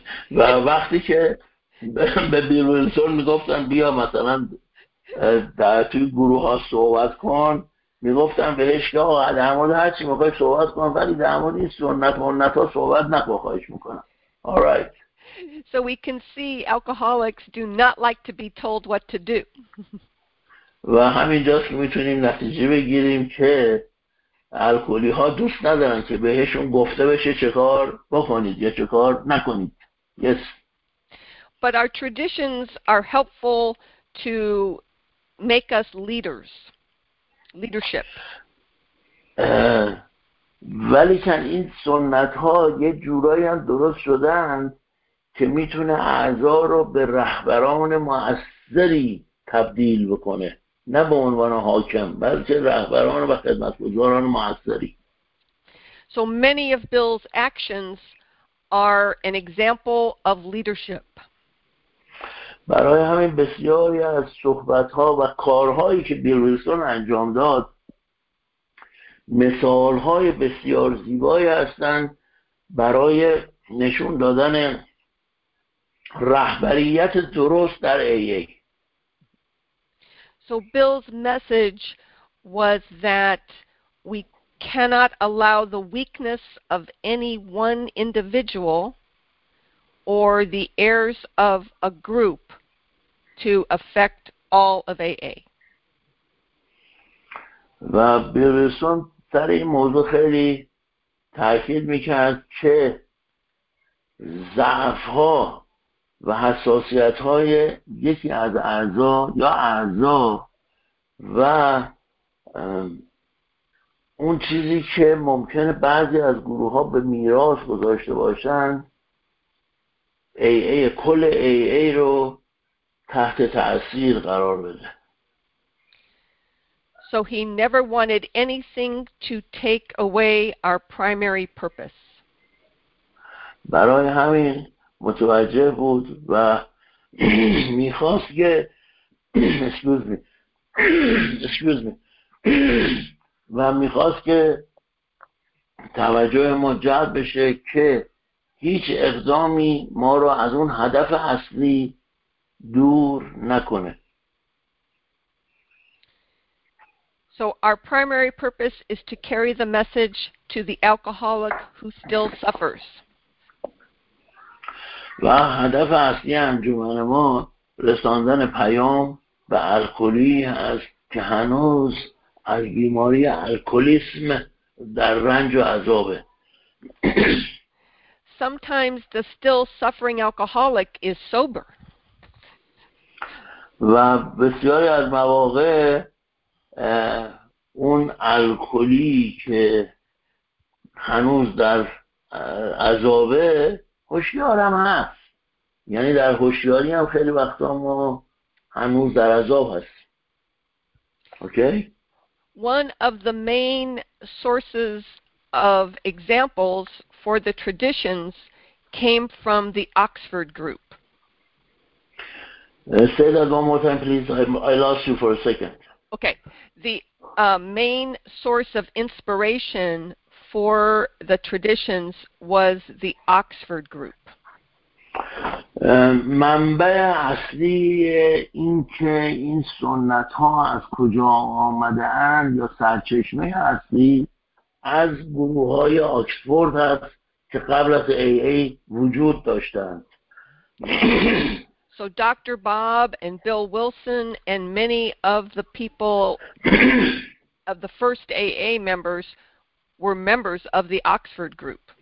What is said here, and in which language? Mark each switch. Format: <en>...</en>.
<fa>و وقتی که به بیل ویلسون میگفتن بیا مثلا در توی گروه ها صحبت کن، میگفتن بهش که آقا در مورد هر چی میخوای صحبت کن، ولی در مورد این سنت ها صحبت نکن، خواهش میکنم.</fa> <en>All right. So we can see alcoholics do not like to be told what to do.</en> <fa>و همینجاست که میتونیم نتیجه بگیریم که الکلی ها دوست ندارن که بهشون گفته بشه چه کار بکنید یا چه کار نکنید.</fa> <en>Yes. But our traditions are helpful to make us leaders. Leadership.</en> <fa>ولی که این سنت ها یه جورایی هم درست شدن که میتونه اعضا رو به رهبران مؤثری تبدیل بکنه، نه به عنوان حاکم بلکه رهبران و خدمتگزاران مؤثری.</fa> <en>So many of Bill's actions are an example of leadership.</en> <fa>برای همین بسیاری از صحبت‌ها و کارهایی که بیل ویلسون انجام داد مثال‌های بسیار زیبایی هستند برای نشون دادن رهبریت درست در AA.</fa> <en>So Bill's message was that we cannot allow the weakness of any one individual or the errors of a group to affect all of AA.</en> <fa>و بیل ویلسون در این موضوع خیلی تاکید میکرد که ضعف ها و حساسیت های یکی از اعضا یا اعضا و اون چیزی که ممکنه بعضی از گروه ها به میراث گذاشته باشن AA کل AA رو تحت تأثیر قرار بده.</fa> <en>So he never wanted anything to take away our primary purpose.</en> <fa>برای همین متوجه بود و میخواست که</fa> <en>excuse me</en> <fa>و میخواست که توجه ما جلب بشه که هیچ اقدامی ما را از اون هدف اصلی دور نکنه.</fa> <en>So our primary purpose is to carry the message to the alcoholic who still suffers.</en> <fa>و هدف اصلی انجمن ما رساندن پیام به الکلی هست که هنوز از بیماری الکلیسم در رنج و عذابه.</fa> <en>Sometimes the still suffering alcoholic is sober.</en> <fa>و بسیاری از مواقع اون الکلی که هنوز در عذابه هوشیار هم هست، یعنی در هوشیاری هم خیلی وقتا ما هنوز در عذاب هست.</fa> <en>Okay. One of the main sources of examples for the traditions came from the Oxford group. Say that one more time, please. I lost you for a second. Okay. The main source of inspiration for the traditions was the Oxford group.</en> <fa>منبع اصلی این که این سنت ها از کجا آمده اند یا سرچشمه اصلی از گروه های آکسفورد هست که قبل از AA وجود داشتند.</fa> <en>So Dr. Bob and Bill Wilson and many of the people of the first AA members were members of the Oxford group.</en>